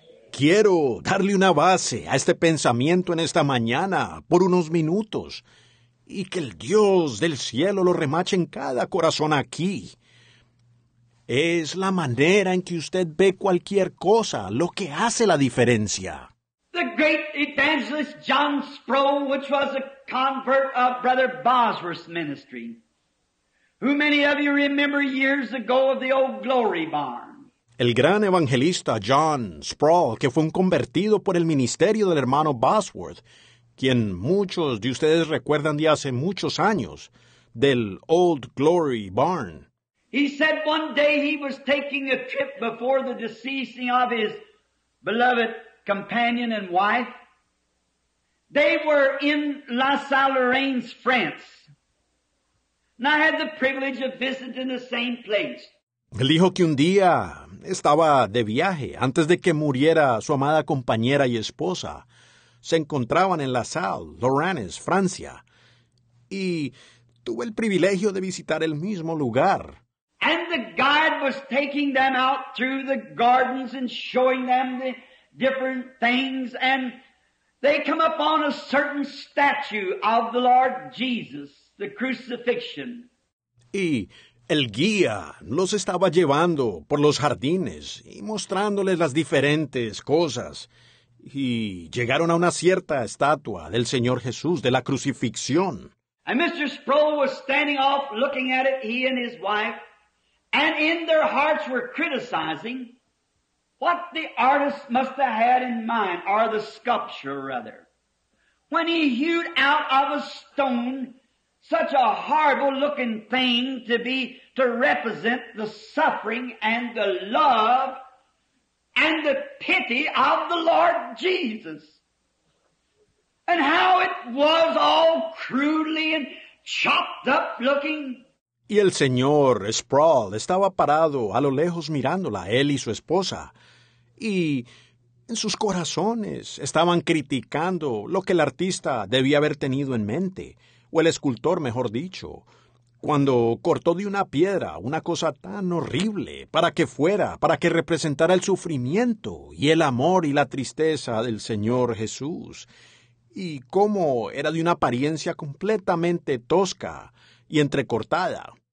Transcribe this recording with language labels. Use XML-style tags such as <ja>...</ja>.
<es>Quiero darle una base a este pensamiento en esta mañana por unos minutos y que el Dios del cielo lo remache en cada corazón aquí. Es la manera en que usted ve cualquier cosa lo que hace la diferencia.</es> <en>The great evangelist John Sproul, which was a convert of Brother Bosworth's ministry, who many of you remember years ago of the old Glory Barn.</en> <es>El gran evangelista John Sproul, que fue un convertido por el ministerio del hermano Bosworth, quien muchos de ustedes recuerdan de hace muchos años, del Old Glory Barn.</es> <en>He said one day he was taking a trip before the deceasing of his beloved companion and wife. They were in La Salle-Lorraine, France. And I had the privilege of visiting the same place.</en> <es>Él dijo que un día estaba de viaje antes de que muriera su amada compañera y esposa. Se encontraban en La Salle, Lorraine, Francia. Y tuve el privilegio de visitar el mismo lugar.</es> <en>And the guide was taking them out through the gardens and showing them the different things. And they come upon a certain statue of the Lord Jesus, the crucifixion.</en> <es>Y el guía los estaba llevando por los jardines y mostrándoles las diferentes cosas. Y llegaron a una cierta estatua del Señor Jesús, de la crucifixión.</es> <en>And Mr. Sproul was standing off looking at it, he and his wife, and in their hearts were criticizing what the artist must have had in mind, or the sculpture rather, when he hewed out of a stone such a horrible looking thing to be to represent the suffering and the love and the pity of the Lord Jesus. And how it was all crudely and chopped up looking.</en> <es>Y el señor Sproul estaba parado a lo lejos mirándola, él y su esposa. Y en sus corazones estaban criticando lo que el artista debía haber tenido en mente, o el escultor, mejor dicho, cuando cortó de una piedra una cosa tan horrible para que fuera, para que representara el sufrimiento y el amor y la tristeza del Señor Jesús, y cómo era de una apariencia completamente tosca y entrecortada.</es>